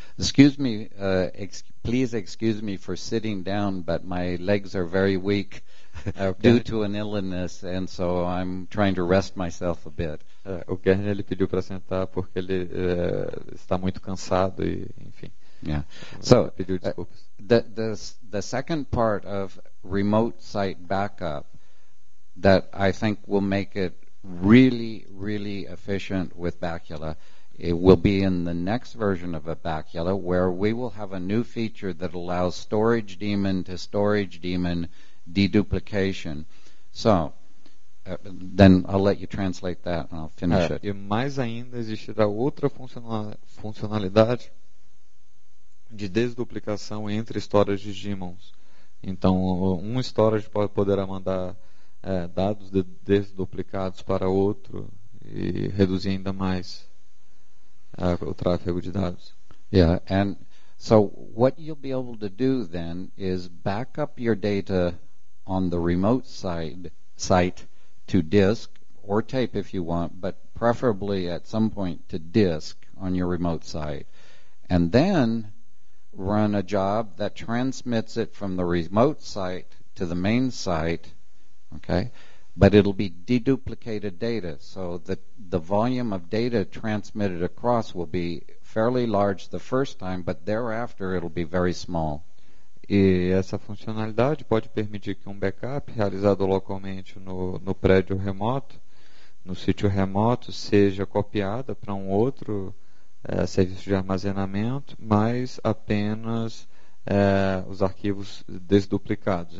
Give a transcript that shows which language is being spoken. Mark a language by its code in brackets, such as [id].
[en] Excuse me, please excuse me for sitting down, but my legs are very weak due to an illness, and so I'm trying to rest myself a bit. [pt] O Kern, ele pediu para sentar porque ele está muito cansado e, enfim. [en] Yeah. So, the second part of remote site backup that I think will make it really, really efficient with Bacula, it will be in the next version of a Bacula, where we will have a new feature that allows storage daemon to storage daemon deduplication. So, then I'll let you translate that and I'll finish it. [pt] E mais ainda, existirá outra funcionalidade de desduplicação entre storage daemons. Então, um storage poderá mandar dados desduplicados para outro e reduzir ainda mais o tráfego de dados. [en] Yeah, and so what you'll be able to do then is back up your data on the remote site to disk or tape if you want, but preferably at some point to disk on your remote site, and then run a job that transmits it from the remote site to the main site, okay? But it'll be deduplicated data, so the volume of data transmitted across will be fairly large the first time, but thereafter it'll be very small. [pt] E essa funcionalidade pode permitir que um backup realizado localmente no prédio remoto, no sítio remoto, seja copiada para um outro serviço de armazenamento, mas apenas os arquivos desduplicados.